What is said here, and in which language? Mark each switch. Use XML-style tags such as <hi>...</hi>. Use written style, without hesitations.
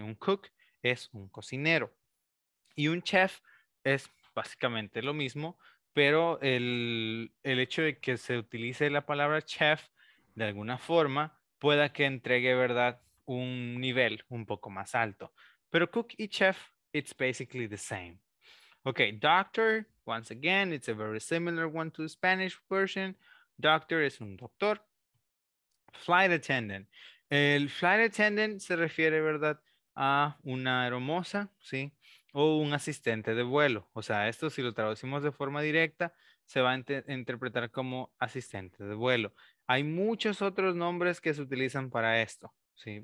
<es>Un cook es un cocinero. Y un chef es básicamente lo mismo, pero el hecho de que se utilice la palabra chef de alguna forma pueda que entregue, ¿verdad?, un nivel un poco más alto. Pero cook y chef</es> <en>it's basically the same. Okay, doctor, once again, it's a very similar one to the Spanish version.</en> <es>Doctor es un doctor. Flight attendant. El flight attendant se refiere, ¿verdad?, a una aeromoza, ¿sí?, o un asistente de vuelo. O sea, esto si lo traducimos de forma directa, se va a interpretar como asistente de vuelo. Hay muchos otros nombres que se utilizan para esto, ¿sí?</es>